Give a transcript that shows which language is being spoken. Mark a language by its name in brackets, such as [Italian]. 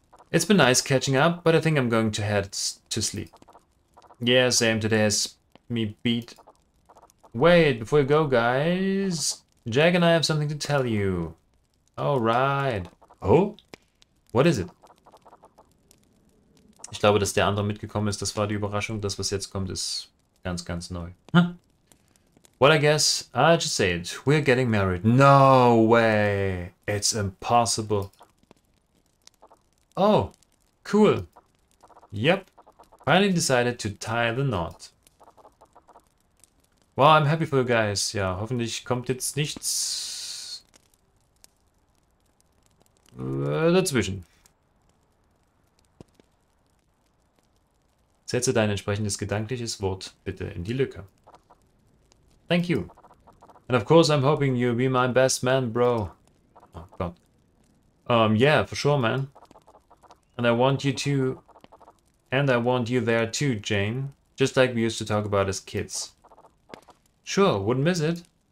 [English] It's been nice catching up, but I think I'm going to head to sleep. Yeah, same, today has me beat. Wait, before you go, guys, Jack and I have something to tell you. All right. Oh? What is it? [German] Ich glaube, dass der andere mitgekommen ist. Das war die Überraschung. Das, was jetzt kommt, ist ganz, ganz neu. [English] Huh? Well, I guess I'll just say it. We're getting married. No way. It's impossible. Oh, cool. Yep. Finally decided to tie the knot. Wow, I'm happy for you guys. [German] Ja, hoffentlich kommt jetzt nichts dazwischen. Setze dein entsprechendes gedankliches Wort bitte in die Lücke. [English] Thank you. And of course I'm hoping you'll be my best man, bro. [German] Oh Gott. [English] Yeah, for sure, man. And I want you to... And I want you there too, Jane. Just like we used to talk about as kids. Sure, wouldn't miss it.